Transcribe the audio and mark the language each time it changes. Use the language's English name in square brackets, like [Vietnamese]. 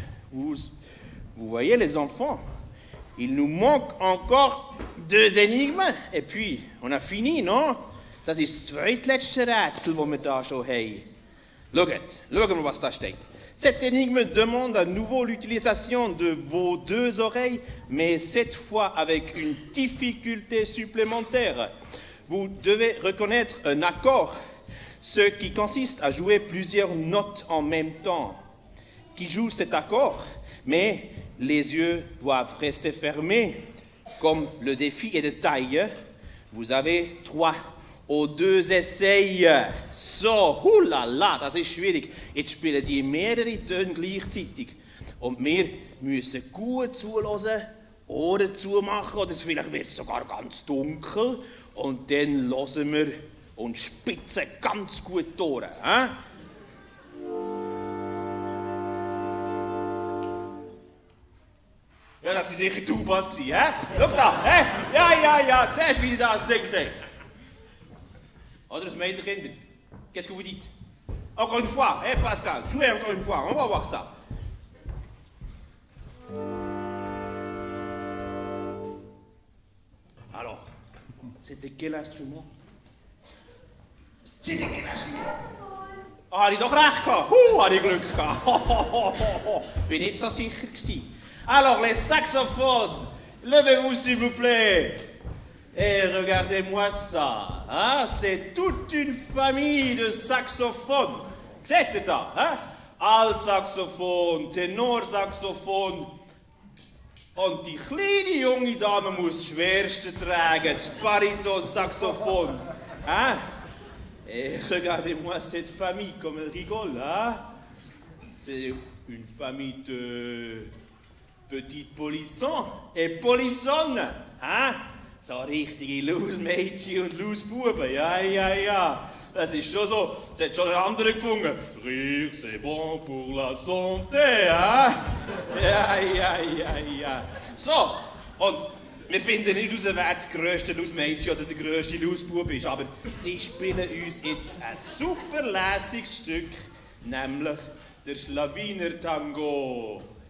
[French] Vous voyez les enfants, il nous manque encore deux énigmes et puis on a fini, non? [German] Das ist das letzte Rätsel, das wir da schon haben. Schaut mal, was da steht. [French] Cette énigme demande à nouveau l'utilisation de vos deux oreilles, mais cette fois avec une difficulté supplémentaire. Vous devez reconnaître un accord, ce qui consiste à jouer plusieurs notes en même temps. Qui joue cet accord? Mais les yeux doivent rester fermés. Comme le défi est de taille, vous avez trois aux deux essais. [German] So, houlala, das ist schwierig. Jetzt spielen die mehrere Töne gleichzeitig. Und wir müssen gut zuhören, Ohren zumachen, oder vielleicht wird es sogar ganz dunkel. Und dann hören wir und spitzen ganz gut die Ohren. Hein? Ja, das war sicher du, Bass, hä? Schau da, hä? Ja. Zuerst, wie ich das gesehen habe. Oder das meint ihr Kinder? [French] Qu'est-ce que vous dites? Encore une fois, hein, Pascal, jouez encore une fois, on va voir ça. Alors, c'était quel instrument? C'était quel instrument? [German] Ah, oh, j'ai doch recht gehabt! Hab ich Glück gehabt! Bin nicht so sicher gewesen. [French] Alors, les saxophones, levez-vous, s'il vous plaît! Et regardez-moi ça, hein? C'est toute une famille de saxophones. C'est ça, hein? Alt saxophone, ténor saxophone. [German] Und die kleine junge Dame muss das Schwerste tragen, das Bariton-Saxophon. Hein? [French] Et regardez-moi cette famille, comme elle rigole, hein? C'est une famille de petits polissons et polissonnes, hein? [German] So richtige Lausmädchen und Lausbuben, ja, ja, ja. Das ist schon so, das hat schon ein anderer gefunden. [French] Rire, c'est bon pour la santé, hein? [German] Ja, ja, ja, ja. So, und wir finden nicht aus, wer das grösste Lausmädchen oder der grösste Lausbub ist, aber sie spielen uns jetzt ein super lässiges Stück, nämlich der Schlawiner Tango.